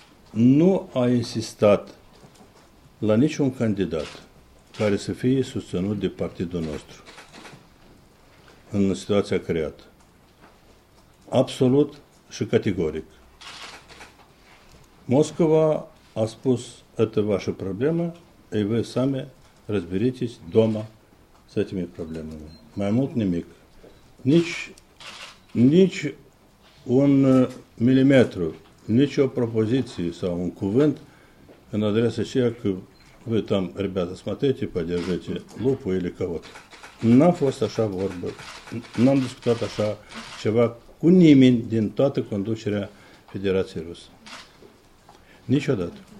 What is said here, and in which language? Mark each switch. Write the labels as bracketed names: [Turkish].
[Romanian] nu a insistat la niciun candidat care să fie susținut de partidul nostru în situația creată. Absolut și categoric. Moscova a spus: [Russian] „Это ваша проблема, и вы сами разберитесь дома с этими проблемами. [Romanian] Mai mult nimic. Nici un milimetru, nici o propoziție sau un cuvânt în adresa aceea că voi [Russian] там, ребята, смотрите, поддержите Лупу или кого-то. [Romanian] N-a fost așa vorbă, n-am discutat așa ceva cu nimeni din toată conducerea Federației Rusă. Niciodată.